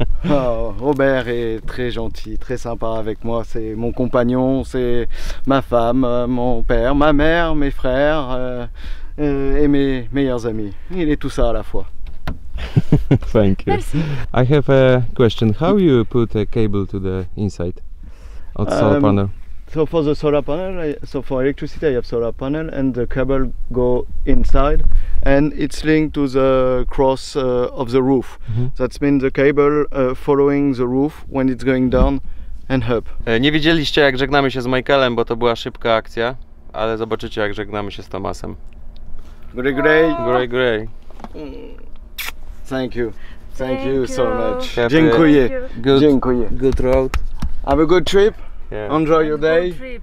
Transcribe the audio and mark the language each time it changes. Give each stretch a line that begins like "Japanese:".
French: Oh, Robert est très gentil, très sympa avec moi. C'est mon compagnon, c'est ma femme, mon père, ma mère, mes frères et mes meilleurs amis. Il est tout ça à la fois.
English: Thank you.
French: Merci.
English: I have a question. How you put a cable to the inside? Solar panel. So for the solar panel, for electricity I have solar panel and the cable go inside and it's linked to the cross of the roof. That means the cable following the roof when it's going down and up.
Polish: Nie widzieliście, jak żegnamy się z Michaelem, bo to była szybka akcja, ale zobaczycie, jak żegnamy się z Tomasem. Grey grey. Grey grey.
English: Thank you. Thank you so much.
Polish: Dziękuję. Dziękuję.
English: Good road. Have a good trip. Yeah. Enjoy your day.